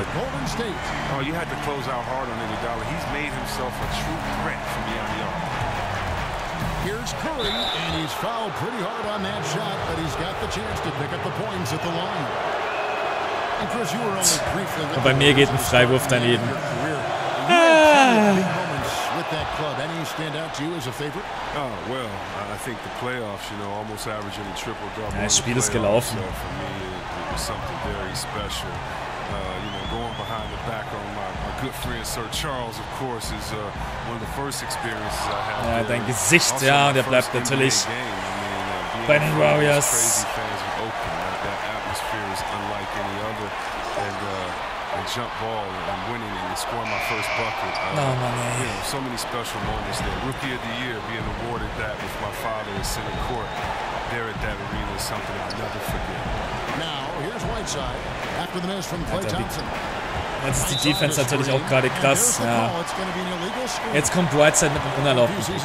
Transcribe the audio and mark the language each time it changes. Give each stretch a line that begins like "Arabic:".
English: Oh, you had to close out hard on Iguodala. He's made himself a true threat from beyond the arc. Here's Curry, and he's fouled pretty hard on that shot, but he's got the chance to pick up the points at the line. And Chris, you were only briefly with.
German: Und bei mir geht ein Freiwurf daneben.
English: That club, any stand out to you as a favorite? Oh, well, I think the playoffs, you know, almost averaging a triple double.
German: Das Spiel ist gelaufen.
English: For me, it was something very special. You know, going behind the back on my good friend Sir Charles, of course, is one of the first experiences I had.
German: Ja, dein Gesicht, ja, der bleibt natürlich bei den Warriors.
English: That atmosphere is unlike any other. And jump ball and winning and scoring my first bucket. So many special moments there. Rookie of the year being awarded that with my father in center court there at that arena is something I'll never forget. Now, here's Whiteside after the miss from Clay Thompson.
German: Jetzt ist die Defense natürlich auch gerade krass. Ja. Jetzt kommt Whiteside mit dem Unerlaubten.